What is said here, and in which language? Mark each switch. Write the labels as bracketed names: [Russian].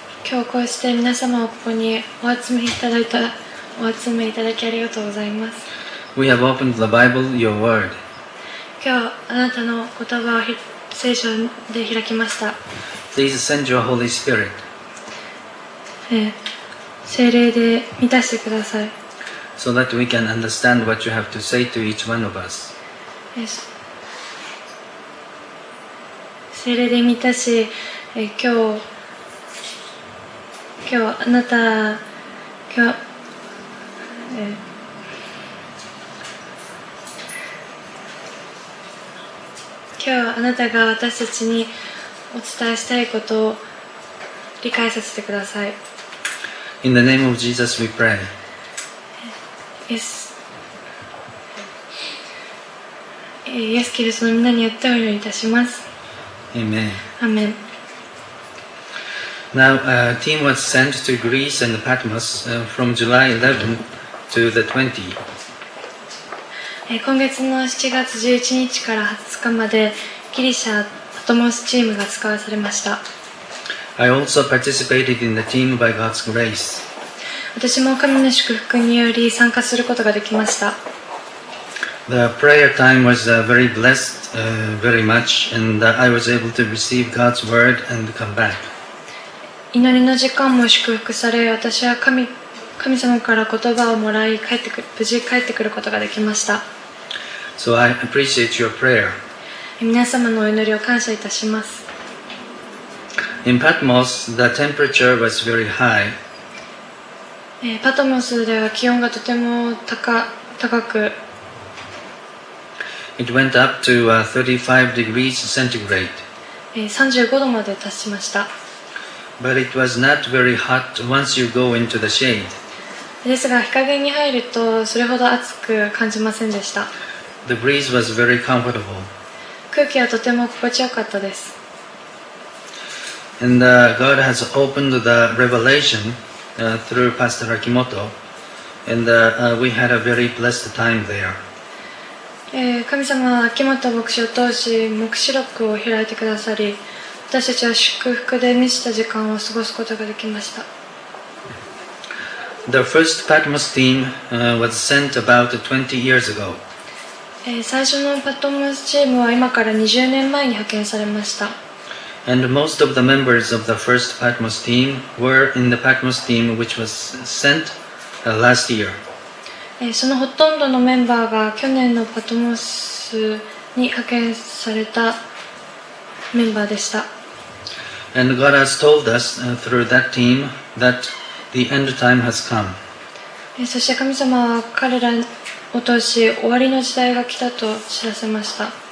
[Japanese] 今日こうして皆様をここにお集めいただきありがとうございます。 [English] We have opened the Bible, your word. [Japanese] 今日あなたの言葉を聖書で開きました。 [English] Please send your Holy Spirit. [Japanese] 聖霊で満たしてください。 [English] So that we can understand what you have to say to each one of us. Yes. [Japanese] 聖霊で満たし、今日あなたが私たちにお伝えしたいことを理解させてください。 [English] In the name of Jesus we pray. Yes. [Japanese] イエスキリストの皆によってお祈りいたします。 [English] Amen. Amen. Now, a team was sent to Greece and Patmos from July 11 to the 20th. [Japanese] 今月の7月11日から20日までギリシャパトモスチームが使わされました。 [English] I also participated in the team by God's grace. [Japanese] 私も神の祝福により参加することができました。 [English] The prayer time was very blessed, very much, and I was able to receive God's word and come back. [Japanese] 祈りの時間も祝福され、私は神神様から言葉をもらい帰ってくる無事帰ってくることができました。 [English] So I appreciate your prayer. [Japanese] 皆様のお祈りを感謝いたします。 [English] In Patmos, the temperature was very high. [Japanese] パトモスでは気温がとても高く。 [English] It went up to 35 degrees centigrade. [Japanese] 35度まで達しました。 [English] But it was not very hot once you go into the shade. [Japanese] ですが日陰に入るとそれほど暑く感じませんでした。 [English] The breeze was very comfortable. [Japanese] 空気はとても心地よかったです。 [English] And God has opened the revelation through Pastor Akimoto, and we had a very blessed time there. [Japanese] 神様は秋元牧師を通し黙示録を開いてくださり、私たちは祝福で満ちた時間を過ごすことができました。 [English] The first Patmos team was sent about 20 years ago. [Japanese] 最初のパトモスチームは今から20年前に派遣されました。 [English] And most of the members of the first Patmos team were in the Patmos team which was sent last year. [Japanese] そのほとんどのメンバーが去年のパトモスに派遣されたメンバーでした。 [English] And God has told us through that team that the end time has come. [Japanese] そして神様は彼らを通し終わりの時代が来たと知らせました。